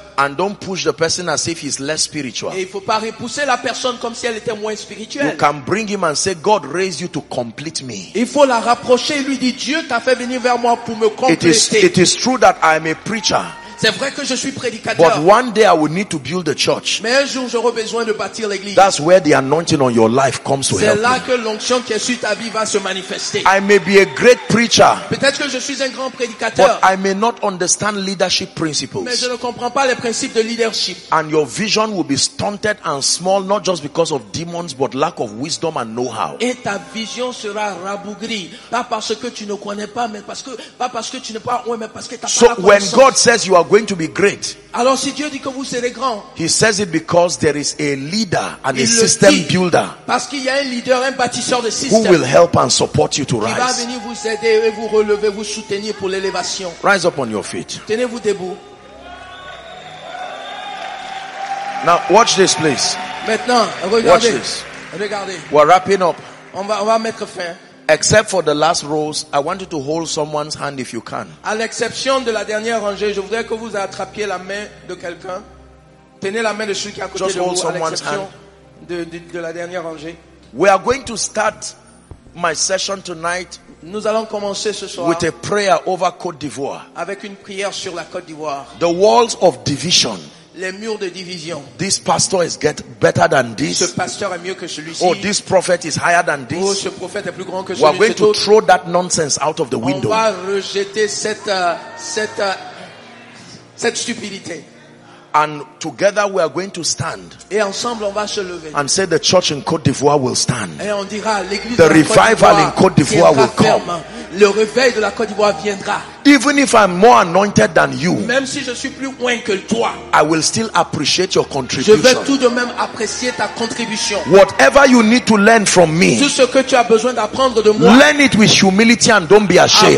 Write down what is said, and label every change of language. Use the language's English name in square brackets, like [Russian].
[English] and don't push the person as if he's less spiritual. [French] Et il faut pas repousser la personne comme si elle était moins spirituelle. [English] You can bring him and say, God raised you to complete me. [French] Il faut la rapprocher et lui dire, Dieu t'a fait venir vers moi pour me compléter. [English] It is true that I am a preacher. [French] C'est vrai que je suis prédicateur. [English] But one day I will need to build a church. [French] Mais un jour j'aurai besoin de bâtir l'église. [English] That's where the anointing on your life comes to [French] c'est [English] help [French] là [English] me. [French] Que l'onction qui est sur ta vie va se manifester. [English] I may be a great preacher. [French] Peut-être que je suis un grand prédicateur. [English] But I may not understand leadership principles. [French] Mais je ne comprends pas les principes de leadership. [English] And your vision will be stunted and small, not just because of demons, but lack of wisdom and know-how. [French] Et ta vision sera rabougrie, pas parce que tu ne connais pas, mais parce que pas parce que tu n'es pas ouais, mais parce que tu n'as [English] so [French] pas. [English] So when God says you are going to be great. [French] Alors si Dieu dit que vous serez grand, [English] he says it because there is a leader and a system builder. [French] Parce qu'il y a un leader, un bâtisseur de système. [English] Who will help and support you to rise? [French] Qui va venir vous aider et vous relever, vous soutenir pour l'élévation. [English] Rise up on your feet. [French] Tenez-vous debout. [English] Now watch this, please. [French] Maintenant, regardez. [English] Watch this. [French] Regardez. [English] We're wrapping up. [French] On va mettre fin. [English] Except for the last rows, I want you to hold someone's hand if you can. [French] À l'exception de la dernière rangée, je voudrais que vous attrapiez la main de quelqu'un. Tenez la main de celui qui est à côté [English] just [French] de vous. [English] Just hold someone's hand. [French] De la dernière rangée. [English] We are going to start my session tonight. [French] Nous allons commencer ce soir. [English] With a prayer over Côte d'Ivoire. [French] Avec une prière sur la Côte d'Ivoire. [English] The walls of division. [French] Les murs de division. [English] This pastor is get better than this. [French] Ce pasteur est mieux que celui-ci. [English] Oh, this prophet is higher than this. [French] Oh, ce prophète est plus grand que celui-ci. [English] We are going to throw that nonsense out of the window. [French] On va rejeter cette stupidité. [English] And together we are going to stand. [French] Et ensemble on va se lever. [English] And say the church in Côte d'Ivoire will stand. [French] Et on dira l'église. [English] The revival in Côte d'Ivoire will come. [French] Le réveil de la Côte d'Ivoire viendra. [English] Even if I'm more anointed than you, [French] même si je suis plus loin que toi, [English] I will still appreciate your contribution. [French] Je vais tout de même apprécier ta contribution. [English] Whatever you need to learn from me, [French] tout ce que tu as besoin d'apprendre de moi, [English] learn it with humility and don't be ashamed.